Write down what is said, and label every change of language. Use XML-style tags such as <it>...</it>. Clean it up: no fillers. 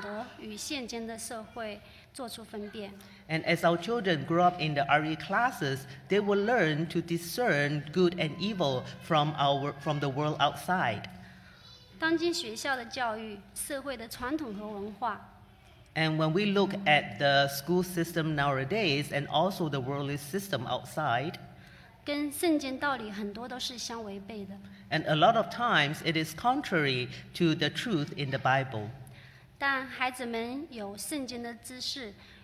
<zh>当孩子们在宗教教育上有长进的时候，就会懂得与现今的社会做出分辨。</zh> <en>And as our children grow up in the RE classes, they will learn to discern good and evil from the world outside.</en> <zh>当今学校的教育，社会的传统和文化。</zh> <en>And when we look at the school system nowadays and also the worldly system outside,</en> <zh>跟圣经道理很多都是相违背的。</zh> <en>And a lot of times it is contrary to the truth in the Bible.</en> <zh>但孩子们有圣经的知识。</zh>